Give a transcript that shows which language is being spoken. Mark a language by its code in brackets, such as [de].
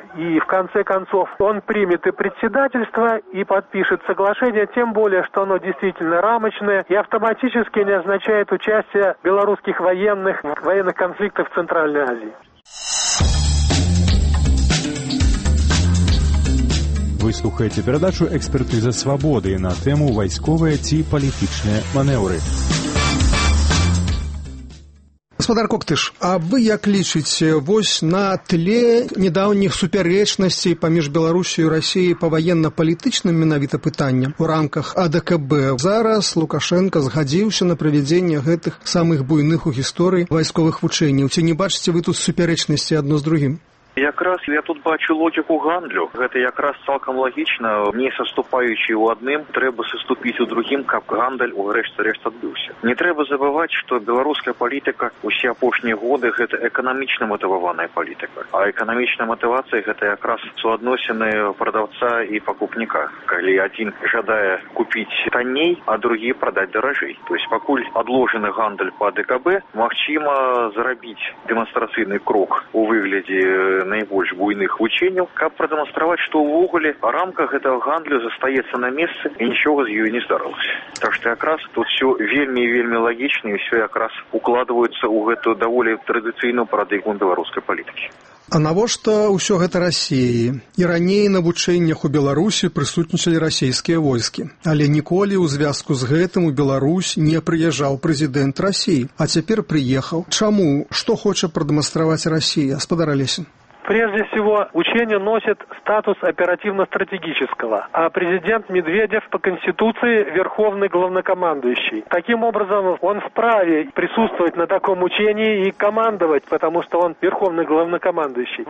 [ru] И в конце концов он примет и председательство, и подпишет соглашение, тем более, что оно действительно рамочное и автоматически не означает участие белорусских военных в военных конфликтах в Центральной Азии. Вы слушаете передачу «Экспертиза свободы» на тему «Войсковые ти политичные маневры». [be] Господар Коктыш, а вы як лічыце вось на тле недавніх супярэчнасцей паміж Беларусію і Расіяй па ваенна-палітычным менавіта пытанням у рамках АДКБ? Зараз Лукашэнка згадзіўся на правядзенне гэтых самых буйных у гісторыі вайсковых вучэнняў. Ці не бачыце вы тут супярэчнасці адно з другім? Якраз я тут бачу логіку гандлю. Гэта якраз цалкам лагічна. Не саступаючы ў адным, трэба саступіць у другім, каб гандаль у рэшт-рэшт адбыўся. Не трэба забываць, што беларуская палітыка ўсе апошнія годы гэта эканамічна матываваная палітыка. А эканамічная матывацыя гэта якраз суадносіны прадавца і пакупніка. Калі адзін жадае купіць танней, а другі прадаць даражэй. [ru] То есть [be] пакуль адложаны гандаль па ДКБ, магчыма зрабіць дэманстрацыйны крок у выглядзе найбольш буйных вучэнняў, каб прадэманстраваць, што ўвогуле рамка гэтага гандлю застаецца на месцы і нічога з ёй не здарылася. Так што якраз тут все вельмі і вельмі лагічна, і ўсё якраз укладваецца ў гэту даволі традыцыйную парадыгму беларускай палітыкі. А навошта ўсё гэта Расіі? І раней на вучэннях у Беларусі прысутнічалі расійскія войскі. Але ніколі ў звязку з гэтым у Беларусь не прыязджаў прэзідэнт Расіі. А цяпер прыехаў. Чаму? Што хоча прадэманстраваць Расія? Спадар Алесін. [ru] Прежде всего, учение носит статус оперативно-стратегического, а президент Медведев по Конституции верховный главнокомандующий. Таким образом, он вправе присутствовать на таком учении и командовать, потому что он верховный главнокомандующий.